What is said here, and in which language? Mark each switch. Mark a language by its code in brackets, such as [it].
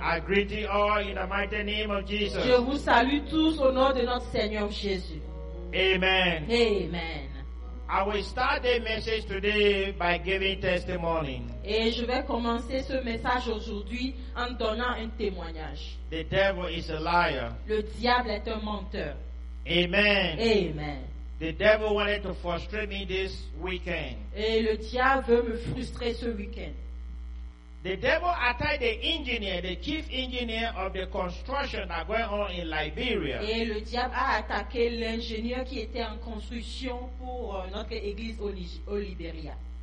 [en] I greet you all in the mighty name of Jesus. [fr] Je vous salue tous au nom de notre Seigneur Jésus. [en] Amen. Amen. I will start the message today by giving testimony. [fr] Et je vais commencer ce message aujourd'hui en donnant un témoignage. [en] The devil is a liar. [fr] Le diable est un menteur. [en] Amen. Amen. The devil wanted to frustrate me this weekend. [fr] Et le diable veut me frustrer ce weekend. [en] The devil attacked the engineer, the chief engineer of the construction that went on in Liberia. [fr] Et le diable a attaqué l'ingénieur qui était en construction pour notre église au Liberia.